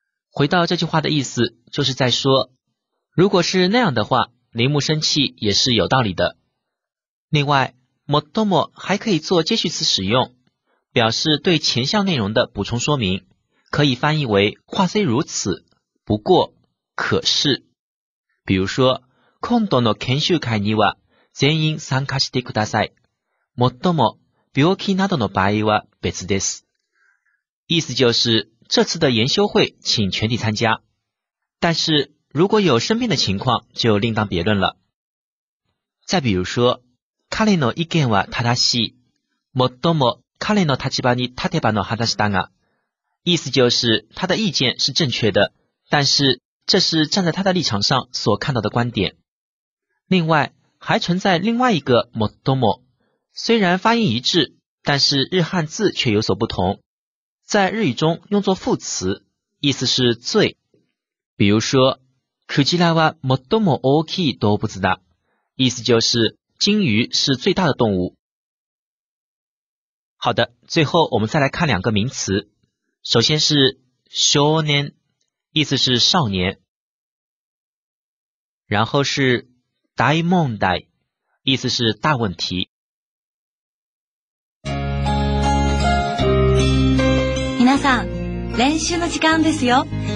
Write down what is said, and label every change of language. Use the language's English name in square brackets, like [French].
[Chinese] 回到这句话的意思，就是在说如果是那样的话，铃木生气也是有道理的。另外 modomo 还可以做接续词使用，表示对前项内容的补充说明，可以翻译为话虽如此，不过，可是。 [Japanese] 比如说今度の研修会には全員参加してください。もっとも病気などの場合は別です。 [Chinese] 意思就是这次的研修会请全体参加，但是如果有生病的情况就另当别论了。 [Japanese] 再比如说彼の意見は正しい。もっとも彼の立場に立てばの話だが， [Chinese] 意思就是他的意见是正确的，但是这是站在他的立场上所看到的观点。另外还存在另外一个 modomo，虽然发音一致，但是日汉字却有所不同。在日语中用作副词，意思是最。 [Japanese] 比如说，クジラは最も大きい動物だ。 [Chinese] 意思就是鲸鱼是最大的动物。好的，最后我们再来看两个名词。首先是少年，意思是少年。然后是大問題，意思是大问题。 [Japanese] 皆さん、練習の時間ですよ。